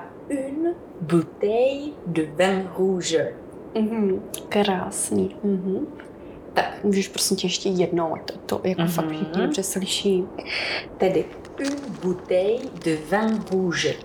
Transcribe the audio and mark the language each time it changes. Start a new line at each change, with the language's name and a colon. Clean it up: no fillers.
French: Une bouteille de vin rouge.
Czech: Krásný. Tak, můžeš prosím tě ještě jednou, to jako fakt všichni dobře slyší. Tedy,
French: une bouteille de vin rouge.